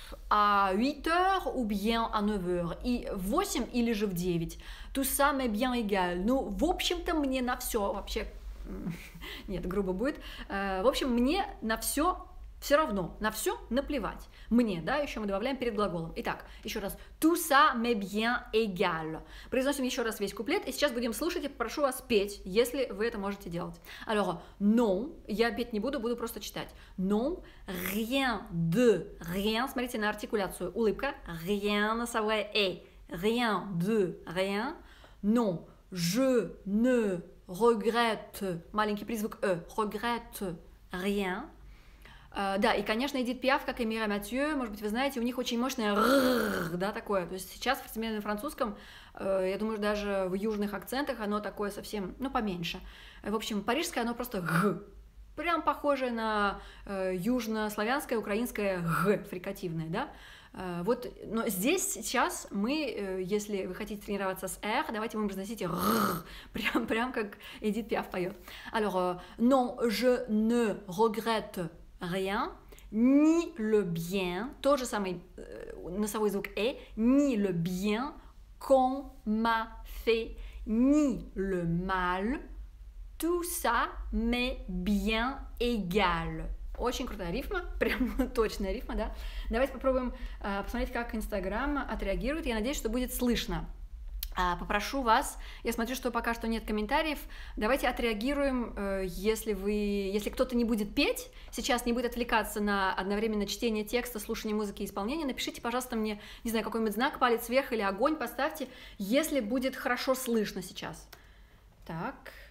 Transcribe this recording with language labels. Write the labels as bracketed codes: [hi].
[fr] А 8 heures ou bien à 9 heures? [ru] И в 8 или же в 9? [fr] Tout ça m'est bien égal. [ru] Ну, в общем-то, мне на все вообще... Нет, грубо будет. В общем, мне на все все равно, на все наплевать. Мне, да, еще мы добавляем перед глаголом. Итак, еще раз. [fr] Tout ça m'est bien égal. [ru] Произносим еще раз весь куплет, и сейчас будем слушать и попрошу вас петь, если вы это можете делать. [fr] Alors, non, [ru] я петь не буду, буду просто читать. [fr] Non, rien de, rien, [ru] смотрите на артикуляцию, улыбка. [fr] Rien, [ru] носовое «э». [fr] Rien de, rien. Non, je ne regrette, [ru] маленький призвук «э», [fr] regrette rien. [ru] Да, и, конечно, Эдит Пиаф, как и Мира Матье, может быть, вы знаете, у них очень мощное «рррррр», да, такое. То есть сейчас в современном французском, я думаю, что даже в южных акцентах оно такое совсем, ну, поменьше. В общем, парижское оно просто «г», прям похожее на южнославянское, украинское «г», фрикативное, да. Вот, но здесь сейчас мы, если вы хотите тренироваться с «р», давайте мы произносите «рррр», прям как Эдит Пиаф поет. [fr] Alors, non, je ne regrette rien, ni le bien, [ru] тот же самый носовой звук «э», [fr] ni le bien qu'on m'a fait, ni le mal, tout ça m'est bien égal. [ru] Очень крутая рифма, прям точная рифма, да? Давайте попробуем посмотреть, как Инстаграм отреагирует. Я надеюсь, что будет слышно. Попрошу вас, я смотрю, что пока что нет комментариев, давайте отреагируем, если кто-то не будет петь, сейчас не будет отвлекаться на одновременно чтение текста, слушание музыки и исполнение, напишите, пожалуйста, мне, не знаю, какой-нибудь знак, палец вверх или огонь поставьте, если будет хорошо слышно сейчас. Так.